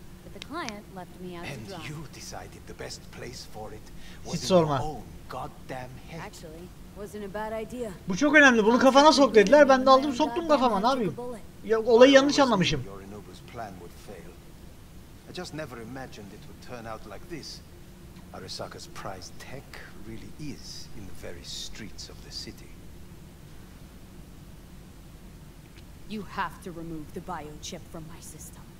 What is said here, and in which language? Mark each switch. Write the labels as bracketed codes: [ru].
[en] But the client left me out to dry. And you decided the best place for it was in your own goddamn head. Actually, wasn't a bad idea. [tr] Bu çok önemli. Bunu kafana sok dediler. Ben de aldım, soktum kafama. Ne yapayım? Ya, olayı yanlış anlamışım. [en] Yorinobu's plan would fail. I just never imagined it would turn out like this. Arasaka's prized tech really is in the very streets of the city. You have to remove the biochip from my system.